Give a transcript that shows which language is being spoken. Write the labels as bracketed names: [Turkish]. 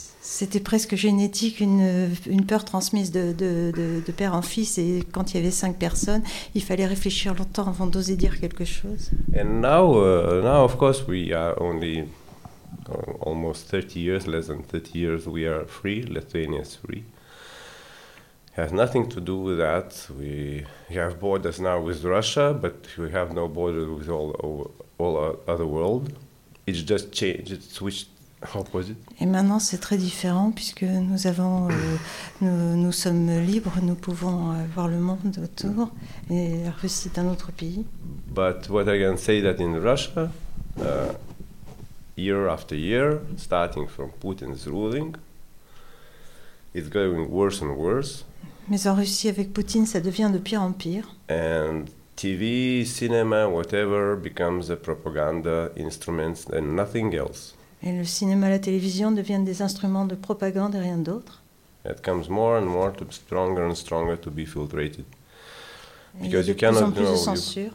[French] C'était presque génétique, une peur transmise de père en fils. Et quand il y avait cinq personnes, il fallait réfléchir longtemps avant d'oser dire quelque chose. [English] And now, of course, we are only almost 30 years, less than 30 years, we are free, Lithuania is free. It has nothing to do with that. We have borders now with Russia, but we have no borders with all other world. It's just changed, it switched. [French] Et maintenant, c'est très différent puisque nous avons, nous sommes libres, nous pouvons voir le monde autour. Et la Russie est un autre pays. [English] But what I can say that in Russia, year after year, starting from Putin's ruling, it's going worse and worse. [French] Mais en Russie, avec Poutine, ça devient de pire en pire. [English] And TV, cinema, whatever becomes a propaganda instruments and nothing else. [French] Et le cinéma, la télévision deviennent des instruments de propagande et rien d'autre. [English] It comes more and more to stronger and stronger to be filtrated. Because you cannot, you know,